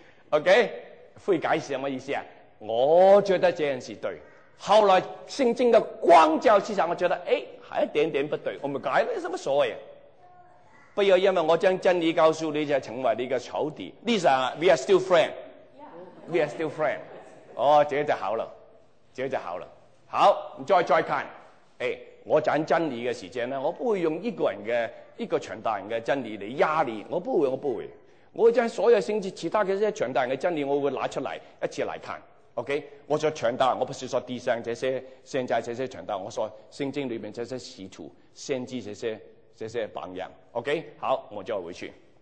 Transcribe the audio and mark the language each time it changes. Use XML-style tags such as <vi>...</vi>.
<zh>好，OK， 悔改是什么意思啊？我觉得这件事对，后来圣经的光照之下，我觉得哎，还一点点不对，我们改了有什么所谓？不要因为我将真理告诉你，就成为你的仇敌。</zh> <en>Lisa， we are still friends， we are still friends。</en> <zh>哦，这就好了，这就好了。好，你再看，哎。我讲真理的时间呢，我不会用一个人的一个传达人的真理来压你，我不会，我会将所有甚至其他的这些传达人的真理，我会拿出来一起来看 ，OK？我说传达，我不是说地上这些现在这些传达，我说圣经里面这些使徒、先知这些榜样 ，OK？ 好，我就回去。</zh>